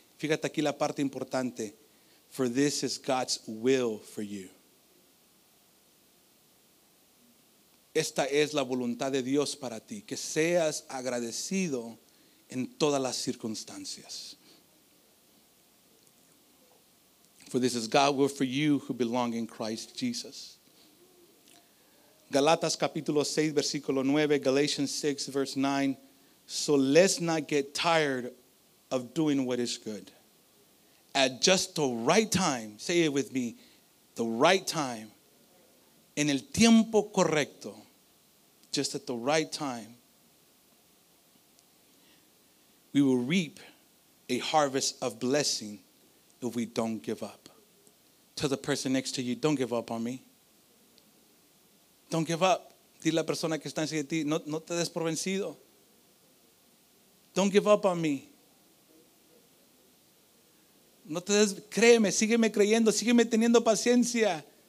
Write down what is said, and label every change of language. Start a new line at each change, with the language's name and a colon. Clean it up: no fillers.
Spanish: Fíjate aquí la parte importante.
English: For this is God's will for you.
Spanish: Esta es la voluntad de Dios para ti, que seas agradecido en todas las circunstancias.
English: For this is God's will for you who belong in Christ Jesus.
Spanish: Galatas capítulo 6, versículo 9.
English: Galatians 6, verse 9. So let's not get tired of doing what is good. At just the right time, say it with me, the right time,
Spanish: en el tiempo correcto,
English: just at the right time, we will reap a harvest of blessing if we don't give up. To the person next to you, don't give up on me. Don't give up.
Spanish: Dile a la persona que está enseguida de ti, no te des por vencido.
English: Don't give up on me.
Spanish: No te des, créeme, sígueme creyendo, sígueme teniendo paciencia.